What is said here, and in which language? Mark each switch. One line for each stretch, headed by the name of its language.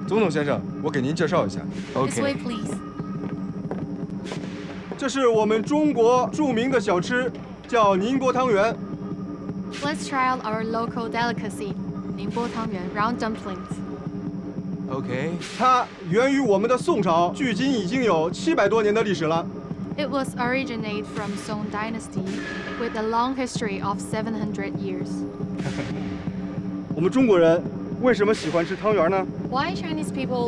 Chinese: 总统先生，我给您介绍一下。
English: Okay. This way, please.
Chinese: 这是我们中国著名的小吃，叫宁波汤圆。
English: Let's try out our local delicacy, 宁波汤圆, round dumplings. Okay.
Chinese: 它源于我们的宋朝，距今已经有700多年的历史了。
English: It was originated from Song Dynasty, with a long history of 700 years.
Chinese: 我们中国人为什么喜欢吃汤圆呢？
English: Why Chinese people love dumplings?